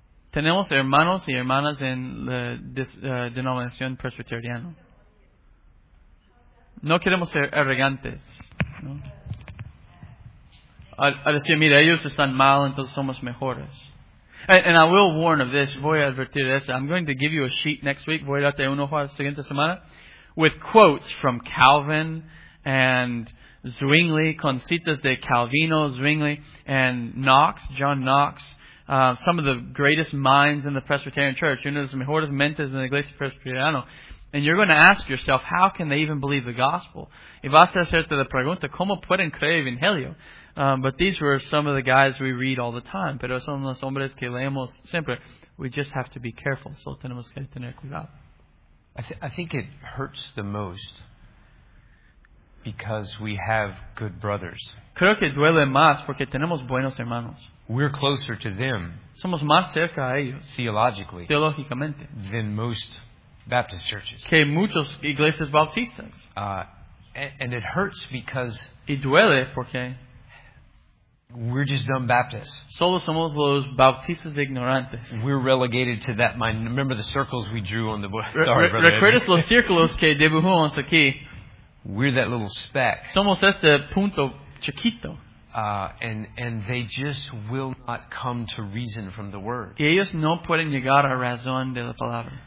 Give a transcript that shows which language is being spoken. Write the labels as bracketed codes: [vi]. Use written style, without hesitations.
[es] Tenemos hermanos y hermanas en la denominación presbiteriana. No queremos ser arrogantes, ¿no? A decir, mira, ellos están mal, entonces somos mejores. [en] And I will warn of this. [es] Voy a advertir de esto. [en] I'm going to give you a sheet next week. [es] Voy a darte un ojo a la siguiente semana. [en] With quotes from Calvin and Zwingli, [es] con citas de Calvino, [en] Zwingli, and Knox, John Knox. Some of the greatest minds in the Presbyterian Church. [es] Uno de los mejores mentes en la iglesia presbiteriana. [en] And you're going to ask yourself, how can they even believe the gospel? [es] Y vas a hacerte la pregunta, ¿cómo pueden creer el evangelio? [en] But these were some of the guys we read all the time. [es] Pero son los hombres que leemos siempre. [en] We just have to be careful. [es] So tenemos que tener cuidado. [en] I think it hurts the most Because we have good brothers. [es] Creo que duele más porque tenemos buenos hermanos. [en] We're closer to them. [es] Somos más cerca a ellos. [en] Theologically. [es] Teológicamente. [en] Than most Baptist churches. [es] Que muchos iglesias bautistas. [en] And it hurts because. [es] Y duele porque. [en] We're just dumb Baptists. [es] Solo somos los bautistas ignorantes. [en] We're relegated to that. Remember the circles we drew on the board. Sorry, brother. [es] Recuerdas los círculos que dibujamos aquí. [en] We're that little speck. [es] Somos este punto chiquito. [en] And they just will not come to reason from the word. [es] Y ellos no pueden llegar a razón de la palabra.